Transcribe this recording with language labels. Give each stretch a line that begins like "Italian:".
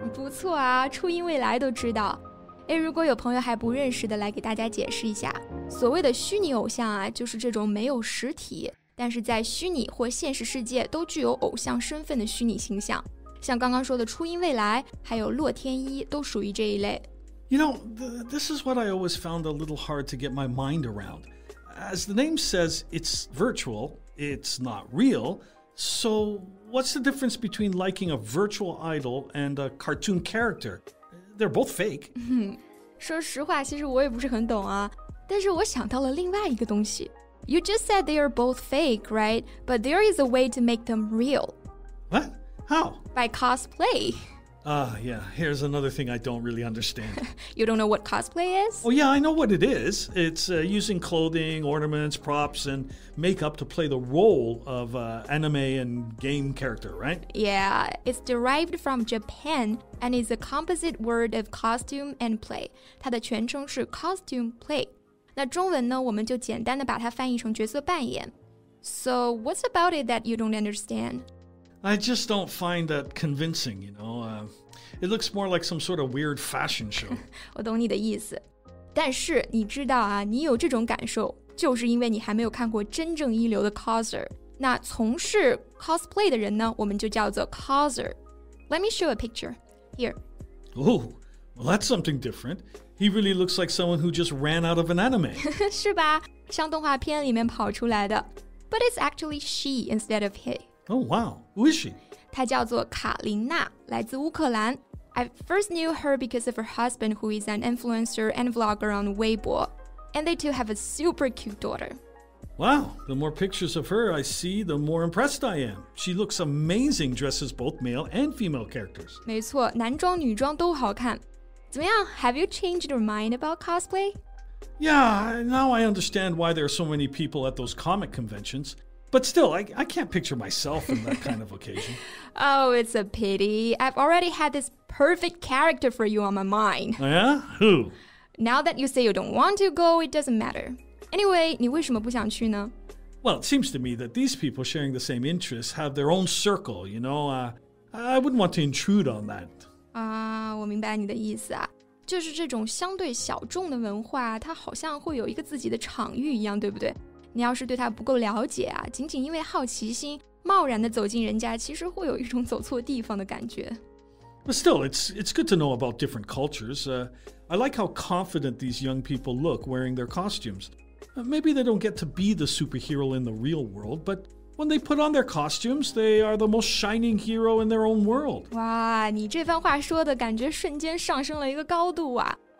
Chinese: 不错啊，初音未来都知道。哎，如果有朋友还不认识的，来给大家解释一下。所谓的虚拟偶像啊，就是这种没有实体，但是在虚拟或现实世界都具有偶像身份的虚拟形象。像刚刚说的初音未来，还有洛天依，都属于这一类。
English: You know, this is what I always found a little hard to get my mind around. As the name says, it's virtual, it's not real. So, what's the difference between liking a virtual idol and a cartoon character? They're both fake.
Chinese: 说实话，其实我也不是很懂啊。但是我想到了另外一个东西。
English: You just said they are both fake, right? But there is a way to make them real. What? How? By cosplay. Yeah, here's another thing I don't really understand. You don't know what cosplay is? Oh yeah, I know what it is. It's using clothing, ornaments, props, and makeup to play the role of anime and game character, right? Yeah, it's derived from Japan, and is a composite word of costume and play.
Chinese: 它的全称是
English: costume play.
Chinese: 那中文呢，我们就简单的把它翻译成角色扮演。
English: So what's about it that you don't understand? I just don't find that convincing, you know. It looks more like some sort of weird fashion show.
Chinese: 我懂你的意思。但是你知道啊，你有这种感受，就是因为你还没有看过真正一流的 coser。那从事 cosplay 的人呢，我们就叫做 coser。
English: Let me show a picture. Here. Oh, well, that's something different. He really looks like someone who just ran out of an anime.
Chinese: 是吧？像动画片里面跑出来的。
English: But it's actually she instead of he. Oh, wow. Who is she?
Chinese: 她叫做卡琳娜，来自乌克兰。
English: I first knew her because of her husband, who is an influencer and vlogger on Weibo. And they too have a super cute daughter. Wow. The more pictures of her I see, the more impressed I am. She looks amazing, dresses both male and female characters.
Chinese: 没错，男装女装都好看。怎么样？
English: Have you changed your mind about cosplay? Yeah, now I understand why there are so many people at those comic conventions. But still, I can't picture myself in that kind of occasion. Oh, it's a pity. I've already had this perfect character for you on my mind. Yeah? Who? Now that you say you don't want to go, it doesn't matter. Anyway,
Chinese: 你为什么不想去呢?
English: Well, it seems to me that these people sharing the same interests have their own circle, you know? I wouldn't want to intrude on that.
Chinese: 我明白你的意思啊。就是这种相对小众的文化，它好像会有一个自己的场域一样，对不对? 你要是对他不够了解啊，仅仅因为好奇心，贸然的走进人家，其实会有一种走错地方的感觉。
English: But still, it's good to know about different cultures. I like how confident these young people look wearing their costumes. Maybe they don't get to be the superhero in the real world, but when they put on their costumes, they are the most shining hero in their own world.
Chinese: 哇，你这番话说的感觉瞬间上升了一个高度啊。